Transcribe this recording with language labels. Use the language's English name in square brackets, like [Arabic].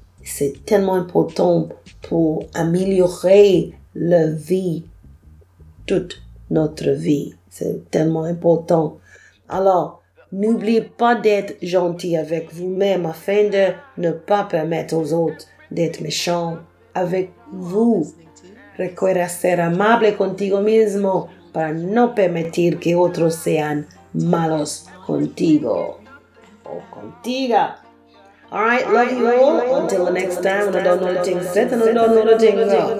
[French] C'est tellement important pour améliorer la vie, toute notre vie. C'est tellement important. Alors, n'oubliez pas d'être gentil avec vous-même afin de ne pas permettre aux autres d'être méchant avec vous. [Spanish] Recuerda ser amable contigo mismo para no permitir que otros sean malos contigo o contiga. [English] All right, love you all. Until the next time, I don't know the thing set and I don't know the thing wrong.